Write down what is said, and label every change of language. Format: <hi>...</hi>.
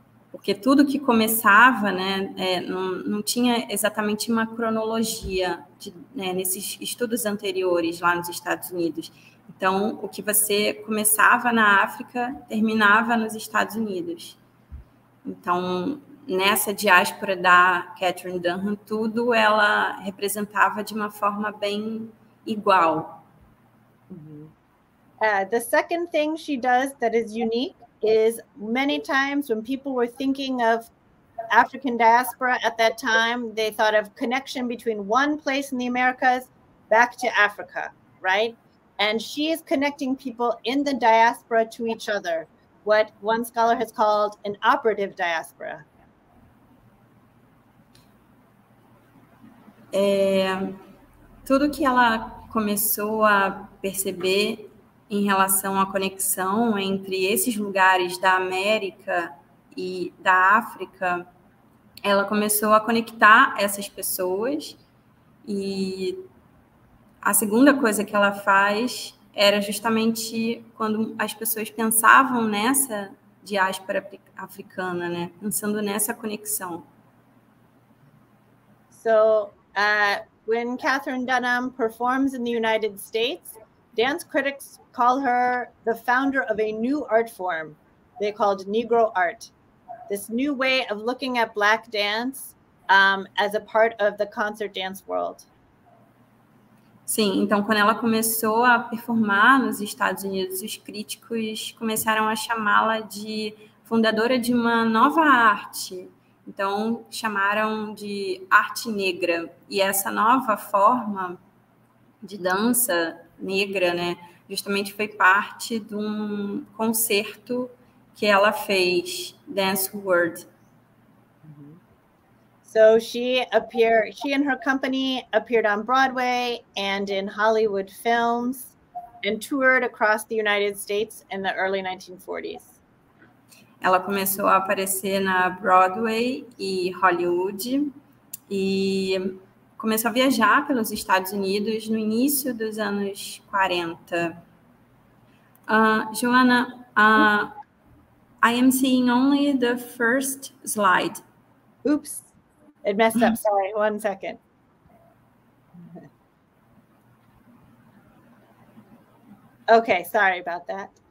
<pt>Porque tudo que começava, né, não tinha exatamente uma cronologia né, nesses estudos anteriores lá nos Estados Unidos. Então, o que você começava na África terminava nos Estados Unidos. Então, nessa diáspora da Catherine Dunham, tudo ela representava de uma forma bem igual.</pt> <en>The second thing she does that is unique is many times when people were thinking of African diaspora at that time, they thought of connection between one place in the Americas back to Africa, right? And she is connecting people in the diaspora to each other, what one scholar has called an operative diaspora.</en> <pt>Tudo que ela começou a perceber em relação à conexão entre esses lugares da América e da África, ela começou a conectar essas pessoas. E a segunda coisa que ela faz era justamente quando as pessoas pensavam nessa diáspora africana, né? Pensando nessa conexão.</pt> <en>So, when Catherine Dunham performs in the United States, dance critics call her the founder of a new art form they called Negro art. This new way of looking at Black dance, as a part of the concert dance world.</en> <pt>Sim, então quando ela começou a performar nos Estados Unidos, os críticos começaram a chamá-la de fundadora de uma nova arte. Então, chamaram de arte negra. E essa nova forma de dança negra, né, justamente foi parte de um concerto que ela fez, Dance World.</pt> <en>So she and her company appeared on Broadway and in Hollywood films and toured across the United States in the early 1940s.</en> <pt>Ela começou a aparecer na Broadway e Hollywood e começou a viajar pelos Estados Unidos no início dos anos 40.</pt> <en>Joana, I am seeing only the first slide. Oops, it messed up. Sorry, one second. Okay, sorry about that.</en>